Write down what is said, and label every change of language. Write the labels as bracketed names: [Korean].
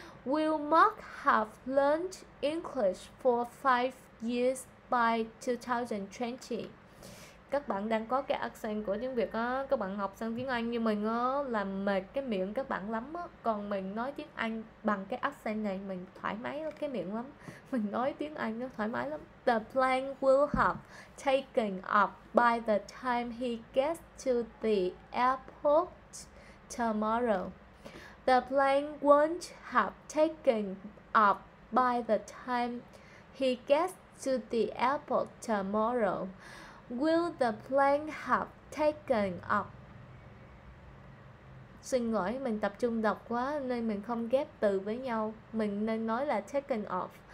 [English] Will Mark have learned English for 5 years by 2020? [Vietnamese] Các bạn đang có cái accent của tiếng Việt á, các bạn học sang tiếng Anh như mình á là mệt cái miệng các bạn lắm á, còn mình nói tiếng Anh bằng cái accent này mình thoải mái cái miệng lắm, mình nói tiếng Anh nó thoải mái lắm. [English] The plane will have taken off by the time he gets to the airport tomorrow. The plane won't have taken off by the time he gets to the airport tomorrow. Will the plane have taken off? [Vietnamese] Xin lỗi, mình tập trung đọc quá nên mình không ghép từ với nhau. Mình nên nói là taken off.